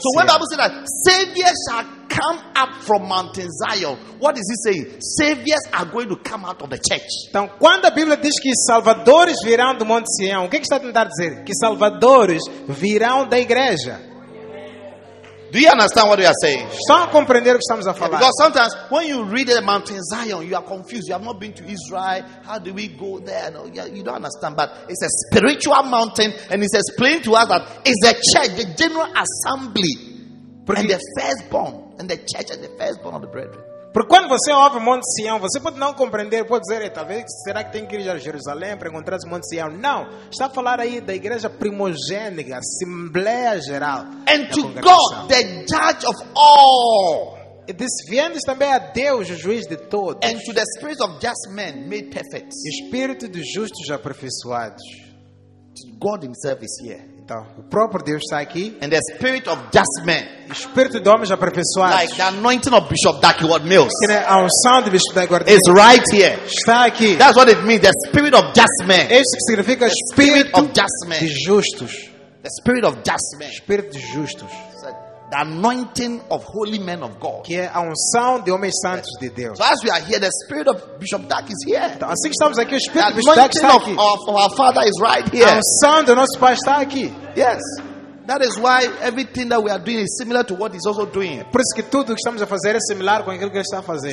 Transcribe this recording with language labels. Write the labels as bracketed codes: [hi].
[en] So when the Bible says that Savior shall come up from Mount Zion, what is he saying? Saviors are going to come out of the church. [pt] Então, quando a Bíblia diz que salvadores virão do Monte Sião, o que está tentando dizer? Que salvadores virão da igreja. [en] Do you understand what we are saying? [pt] Só compreender o que estamos a falar. [en] Yeah, because sometimes when you read the Mount Zion, you are confused. You have not been to Israel. How do we go there? No, you don't understand. But it's a spiritual mountain, and it's explained to us that it's the church, the general assembly, porque, and the firstborn, and the church and the firstborn of the brethren. [pt] Porque quando você ouve Monte Sião, você pode não compreender, pode dizer, talvez será que tem que ir a Jerusalém para encontrar o Monte Sião? Não, está a falar aí da igreja primogênica, assembleia geral. [en] And to God, the judge of all. [pt] E diz, viemos também a Deus, o juiz de todos. [en] And to the spirit of just men made perfect. [pt] E espírito dos justos aperfeiçoados. [en] God himself is here. [pt] Então, o próprio Deus está aqui. [en] And the spirit of just men. [pt] Espírito de homens aperfeiçoados. [en] Like the anointing of Bishop Duckworth Mills. [pt] Que é a unção de Bishop Duckworth [en] Mills. Is right here. [pt] Está aqui. [en] That's what it means, the spirit of just men. [pt] Isso significa [en] spirit of just men. [pt] De justos. [en] The spirit of just men. [pt] Espírito de justos. [en] The anointing of holy men of God. [pt] Que é a unção de homens santos de Deus. [en] So as we are here, the spirit of Bishop Duck is here. [pt] Então, assim que estamos aqui, o espírito de Bishop Duck está aqui. [en] Of our father is right here. [pt] A unção do nosso pai está aqui. [en] Yes. That is why everything that we are doing is similar to what he's also doing. [pt] Por isso que tudo que estamos a fazer é similar com aquilo que ele está a fazer.